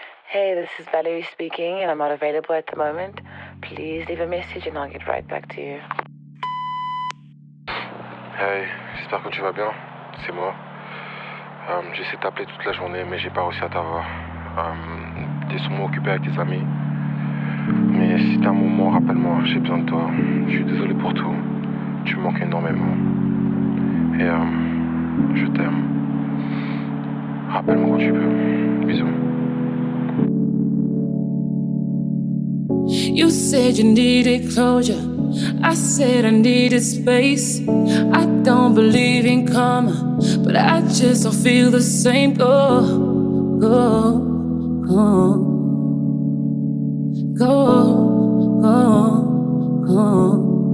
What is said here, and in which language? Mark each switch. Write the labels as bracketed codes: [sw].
[en] Hey, this is Valerie speaking, and I'm not available at the moment. Please leave a message and I'll get right back to you. [fr] Hey, j'espère que tu vas bien. C'est moi. J'essaie de t'appeler toute la journée, mais j'ai pas réussi à t'avoir. T'es sûrement occupé avec tes amis. Mais si t'as un moment, rappelle-moi, j'ai besoin de toi. Je suis désolé pour tout. Tu me manques énormément. Et je t'aime. Rappelle-moi quand tu peux. Bisous. [en] You said you needed closure. I said I needed space. I don't believe in karma, but I just don't feel the same. Go, go, go, go, go, go.